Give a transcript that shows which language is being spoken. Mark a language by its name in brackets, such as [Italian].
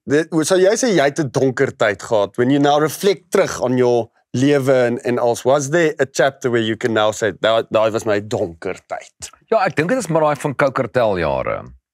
[Afrikaans] So jy sê, jy het 'n donker tyd gehad, [English] when you now reflect [Afrikaans] terug [English] on your... [Afrikaans] lewe en als, [English] was there a chapter where you can now say, that was my [Afrikaans] donker tyd? Ja, ek dink het is maar van Koukertel jare.